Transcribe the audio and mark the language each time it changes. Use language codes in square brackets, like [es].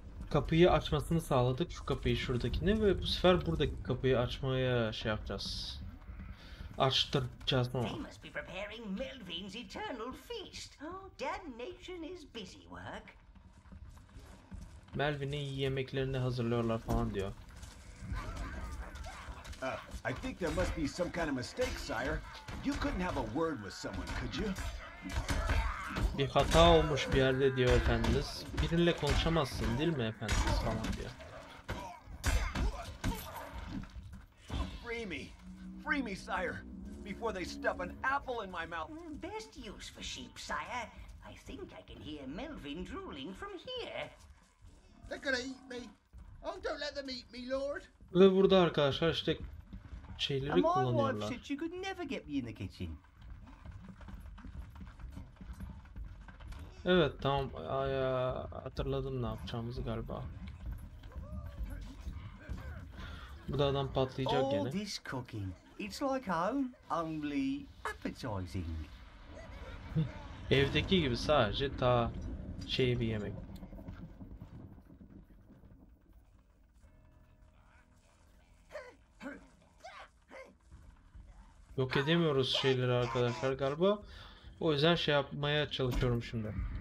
[tr] Kapıyı açmasını sağladık. Şu kapıyı şuradakini ve bu sefer buradaki kapıyı açmaya şey yapacağız. Açtıracağız ama. [en] Must be preparing Melvin's eternal feast. Oh, damnation is busy work. [tr] Melvin'in yemeklerini hazırlıyorlar falan diyor. [en] I think there must be some kind of mistake, sire. You couldn't have a word with someone, could you? [tr] Bir hata olmuş bir yerde diyor efendimiz. Birinle konuşamazsın, değil mi efendimiz falan diyor. [en] Free me. Free me, sire. Before they stuff an apple in my mouth. Best use for sheep, sire. I think I can hear Melvin drooling from here. They're gonna eat me. Oh, don't let them eat me, lord. [tr] Ve burada arkadaşlar işte şeyleri [en] and my wife [tr] kullanıyorlar. [en] Said she could never get me in the kitchen. [tr] Evet, tamam. Hatırladım ne yapacağımızı galiba. Bu da adam patlayacak [en] all [tr] gene. [en] All this cooking. It's like home, only appetizing. [tr] Evdeki gibi sadece ta şey bir yemek. Yok edemiyoruz şeyleri arkadaşlar galiba. O yüzden şey yapmaya çalışıyorum şimdi.